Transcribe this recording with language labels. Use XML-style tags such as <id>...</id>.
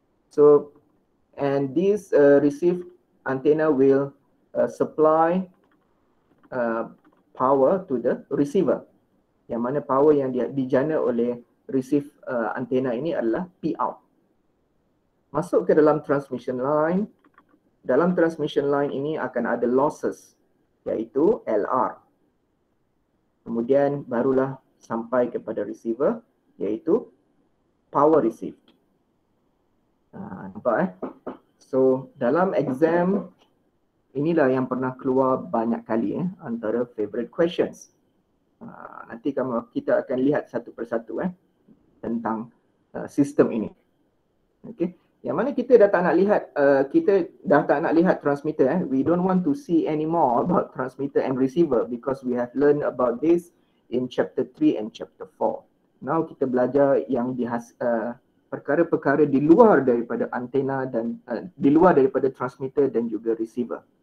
<en>So, and this received antenna will supply power to the receiver.</en> <ms>Yang mana power yang dijana oleh receive antenna ini adalah P out. masuk ke dalam transmission line. Dalam transmission line ini akan ada losses, iaitu LR. Kemudian barulah sampai kepada receiver, iaitu power received. Nampak eh? So, dalam exam, inilah yang pernah keluar banyak kali eh, antara favorite questions. Nanti kita akan lihat satu persatu eh, tentang sistem ini. Okay. Yang mana kita dah tak nak lihat, kita dah tak nak lihat transmitter. Eh.</ms> <en>We don't want to see anymore about transmitter and receiver because we have learned about this in chapter 3 and chapter 4.</en> <ms>Now kita belajar yang perkara-perkara di luar daripada antena dan di luar daripada transmitter dan juga receiver.</ms>